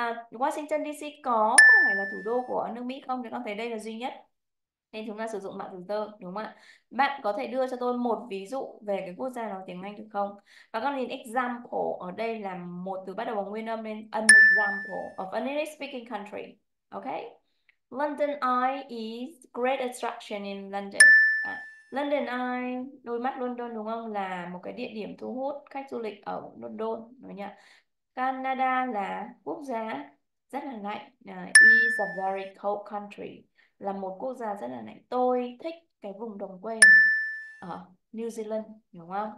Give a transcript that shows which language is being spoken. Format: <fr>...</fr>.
<vi>Washington DC có phải là thủ đô của nước Mỹ không? Thì con thấy đây là duy nhất. nên chúng ta sử dụng mạng từ tơ, đúng không ạ? Bạn có thể đưa cho tôi một ví dụ về cái quốc gia nói tiếng Anh được không? Và các nhìn example ở đây là một từ bắt đầu bằng nguyên âm nên</vi> <en>an example of an English speaking country. Ok? London Eye is great attraction in London.</en> <vi>London Eye, đôi mắt London đúng không? Là một cái địa điểm thu hút khách du lịch ở London, đúng không nhỉ? Canada là quốc gia rất là lạnh.</vi> <en>Is a very cold country.</en> <vi>Là một quốc gia rất là lạnh. Tôi thích cái vùng đồng quê ở New Zealand, đúng không?</vi>